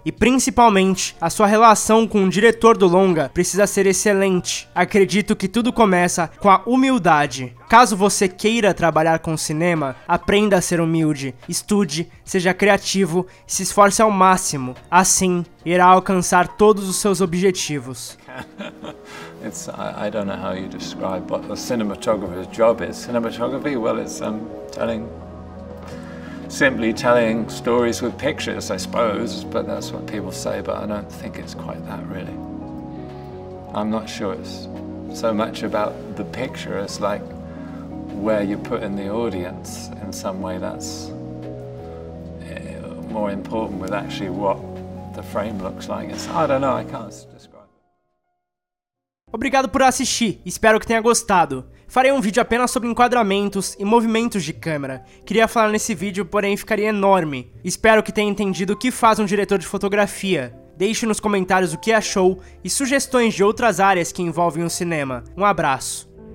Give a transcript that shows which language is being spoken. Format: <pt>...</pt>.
<pt>E principalmente, a sua relação com o diretor do longa precisa ser excelente. Acredito que tudo começa com a humildade. Caso você queira trabalhar com cinema, aprenda a ser humilde, estude, seja criativo e se esforce ao máximo. Assim, irá alcançar todos os seus objetivos.</pt> <en>I don't know how you describe what a cinematographer's job is. Cinematography, well, it's simply telling stories with pictures, I suppose, but that's what people say, but I don't think it's quite that really. I'm not sure it's so much about the picture as like where you put in the audience in some way that's more important with actually what the frame looks like. It's, I don't know, I can't describe it.</en> <pt>Obrigado por assistir, espero que tenha gostado. Farei um vídeo apenas sobre enquadramentos e movimentos de câmera. Queria falar nesse vídeo, porém ficaria enorme. Espero que tenha entendido o que faz um diretor de fotografia. Deixe nos comentários o que achou e sugestões de outras áreas que envolvem o cinema. Um abraço.</pt>